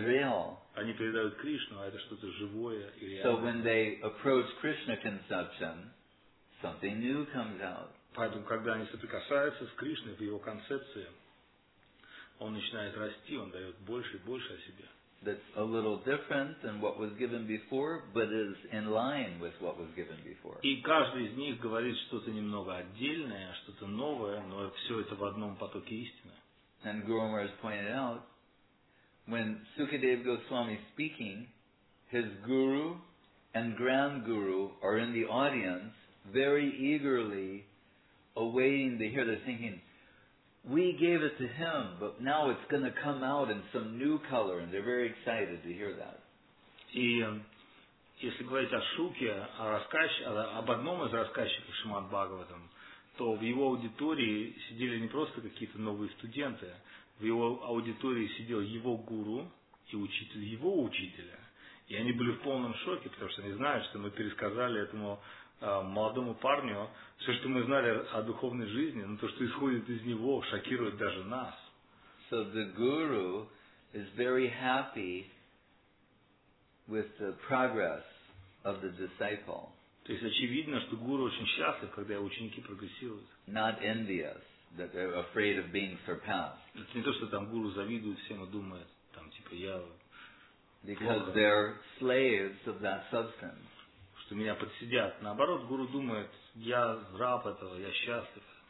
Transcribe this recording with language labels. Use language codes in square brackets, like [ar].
[en] he's real. [ru] Они передают Кришну, а это что-то живое и реальное. [en] So when they approach Krishna conception, something new comes out. [ru] Поэтому, когда они соприкасаются с Кришной в его концепции, он начинает расти, он дает больше и больше о себе. [en] That's a little different than what was given before, but is in line with what was given before. [ru] И каждый из них говорит что-то немного отдельное, что-то новое, но все это в одном потоке истины. [en] And Guru Maharaj pointed out, when Sukadeva Goswami is speaking, his guru and grand guru are in the audience, very eagerly awaiting to hear. They're thinking, we gave it to him, but now it's going to come out in some new color, and they're very excited to hear that. [ru] И если говорить о Шуке, о рассказчике, об одном из рассказчиков Шримад Бхагаватам, то в его аудитории сидели не просто какие-то новые студенты, в его аудитории сидел его гуру и учитель его учителя. И они были в полном шоке, потому что они знают, что мы пересказали этому молодому парню все, что мы знали о духовной жизни, но то, что исходит из него, шокирует даже нас. [en] So the guru is very happy with the progress of the disciple. [ru] То есть очевидно, что гуру очень счастлив, когда его ученики прогрессируют. [en] Not envious, that they're afraid of being surpassed. [ru] Это не то, что там гуру завидует всем и думает, там, типа, я... [en] Because they're slaves of that substance. [ru] Что меня подсидят. Наоборот, гуру думает, я раб этого, я счастлив.